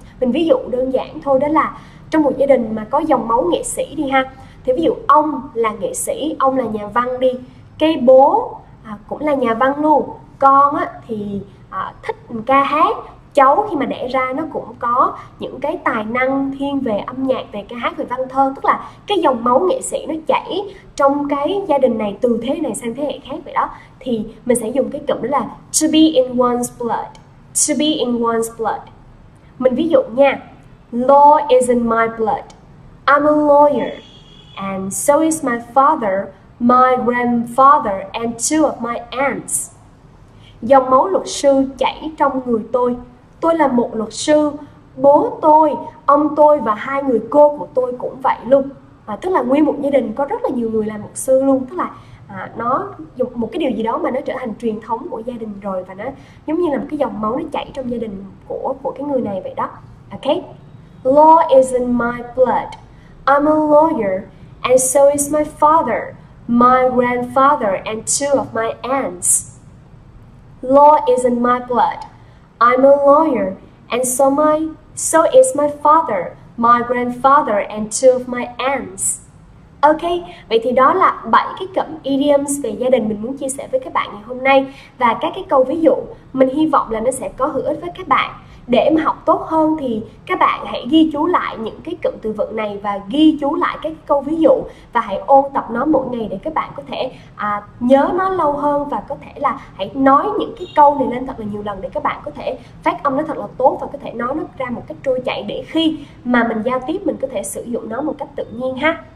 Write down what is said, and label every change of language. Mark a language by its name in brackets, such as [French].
[Vietnamese] Mình ví dụ đơn giản thôi, đó là trong một gia đình mà có dòng máu nghệ sĩ đi ha, thì ví dụ ông là nghệ sĩ, ông là nhà văn đi, cái bố cũng là nhà văn luôn, con á thì thích ca hát, cháu khi mà đẻ ra nó cũng có những cái tài năng thiên về âm nhạc, về ca hát, về văn thơ. Tức là cái dòng máu nghệ sĩ nó chảy trong cái gia đình này từ thế này sang thế hệ khác vậy đó. Thì mình sẽ dùng cái cụm đó là [English] to be in one's blood. To be in one's blood. [Vietnamese] Mình ví dụ nha. [English] Law is in my blood. I'm a lawyer. And so is my father, my grandfather and two of my aunts. [Vietnamese] Dòng máu luật sư chảy trong người tôi. Tôi là một luật sư. Bố tôi, ông tôi và hai người cô của tôi cũng vậy luôn. À, tức là nguyên một gia đình có rất là nhiều người làm luật sư luôn. Tức là nó dùng một cái điều gì đó mà nó trở thành truyền thống của gia đình rồi, và nó giống như là một cái dòng máu nó chảy trong gia đình của cái người này vậy đó. [English] Okay. Law is in my blood. I'm a lawyer and so is my father, my grandfather and two of my aunts. Law is in my blood. I'm a lawyer and so is my father, my grandfather and two of my aunts. [Vietnamese] Ok, vậy thì đó là 7 cái cụm idioms về gia đình mình muốn chia sẻ với các bạn ngày hôm nay. Và các cái câu ví dụ mình hy vọng là nó sẽ có hữu ích với các bạn. Để mà học tốt hơn thì các bạn hãy ghi chú lại những cái cụm từ vựng này và ghi chú lại các câu ví dụ, và hãy ôn tập nó mỗi ngày để các bạn có thể nhớ nó lâu hơn, và có thể là hãy nói những cái câu này lên thật là nhiều lần để các bạn có thể phát âm nó thật là tốt và có thể nói nó ra một cách trôi chảy, để khi mà mình giao tiếp mình có thể sử dụng nó một cách tự nhiên ha.